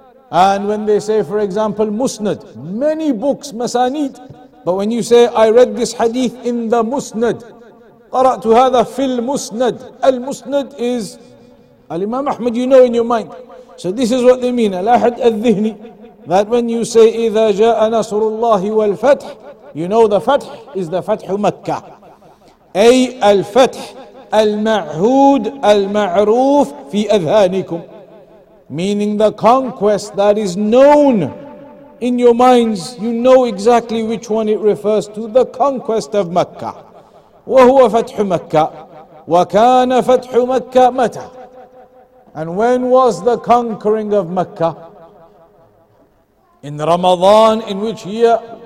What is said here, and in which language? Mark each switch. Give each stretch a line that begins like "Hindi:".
English: And when they say, for example, Musnad, many books, Masanid, but when you say I read this hadith in the Musnad,
Arabic: qara'tu hadha fil Musnad,
English: al-Musnad is al-Imam Ahmad, you know in your mind. So this is what they mean, al-ahad al-dhihni, that when you say
Arabic: idha ja'a nasrullahi wal-fath,
English: you know the fath is the Fath Makkah.
Arabic: أي الفتح المعهود المعروف في أذهانكم.
English: meaning the conquest that is known in your minds, you know exactly which one it refers to, the conquest of Makkah.
Arabic: وَهُوَ فَتْحُ مَكَّةِ وَكَانَ فَتْحُ مَكَّةِ مَتَى.
English: And when was the conquering of Makkah? In Ramadan, in which year?